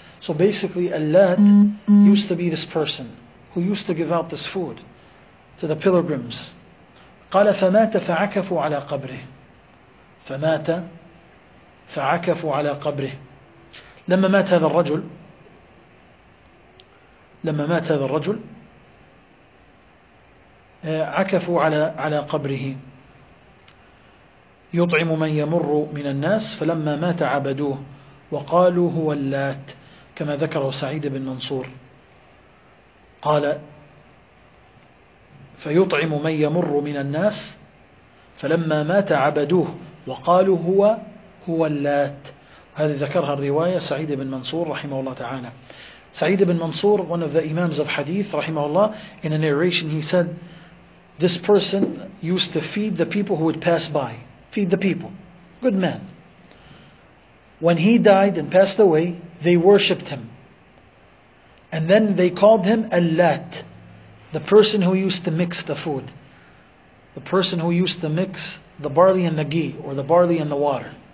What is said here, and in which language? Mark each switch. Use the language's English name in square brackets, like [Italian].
[English] So basically, Allat used to be this person who used to give out this food to the pilgrims. [Arabic] قال فمات فعكفوا على قبره فمات فعكفوا على قبره. لما مات هذا الرجل عكفوا على قبره يطعم من يمر من الناس فلما مات عبدوه وقالوا هو اللات كما ذكره سعيد بن منصور قال فيطعم من يمر من الناس فلما مات عبدوه وقالوا هو اللات. هذه ذكرها الرواية سعيد بن منصور رحمه الله تعالى. [English] سعيد بن منصور, one of the imams of hadith [Arabic] رحمه الله, [English] in a narration he said this person used to feed the people who would pass by, feed the people, good man. When he died and passed away, they worshipped him, and then they called him Allat, the person who used to mix the food, the person who used to mix the barley and the ghee, or the barley and the water.